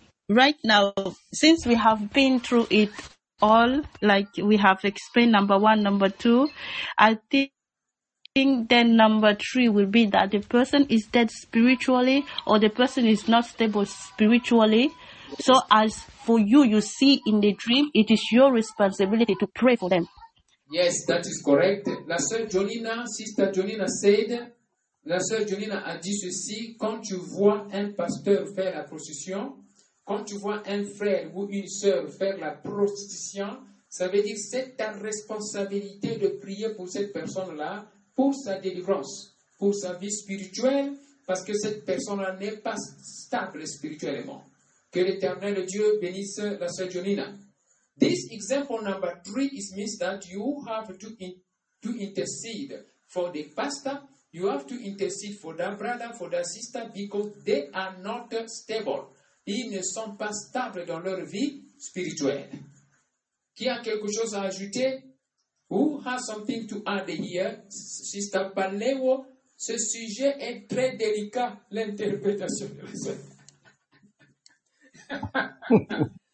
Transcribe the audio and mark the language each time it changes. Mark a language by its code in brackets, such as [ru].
[en] Right now, since we have been through it all, like we have explained number 1, number 2, I think then number 3 will be that the person is dead spiritually or the person is not stable spiritually. So as for you, you see in the dream, it is your responsibility to pray for them. Yes, that is correct. [fr] La sœur Jolina, [en] sister Jolina said, [fr] la sœur Jolina a dit ceci, quand tu vois un pasteur faire la prostitution, quand tu vois un frère ou une sœur faire la prostitution, ça veut dire que c'est ta responsabilité de prier pour cette personne-là, pour sa délivrance, pour sa vie spirituelle, parce que cette personne-là n'est pas stable spirituellement. Que l'Éternel Dieu bénisse la sœur Jolina. [en] This example number 3 is means that you have to intercede for the pastor, you have to intercede for that brother, for that sister, because they are not stable. [fr] Ils ne sont pas stables dans leur vie spirituelle. Qui a quelque chose à ajouter? [en] Who has something to add here? [fr] Sister Paléo, ce sujet est très délicat, l'interprétation de la sœur.